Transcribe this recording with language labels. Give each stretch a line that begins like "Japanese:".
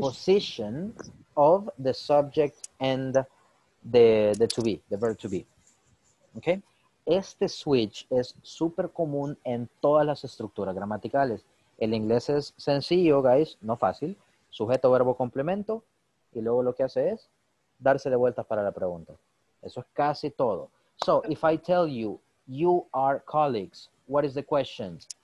English: Position of the subject and the to be, the verb to be. Okay?
Spanish: Este switch es súper común en todas las estructuras gramaticales. El inglés es sencillo, guys, no fácil. Sujeto, verbo, complemento. Y luego lo que hace es darse de vueltas para la pregunta. Eso es casi todo.
English: So, if I tell you, you are colleagues, what is the question?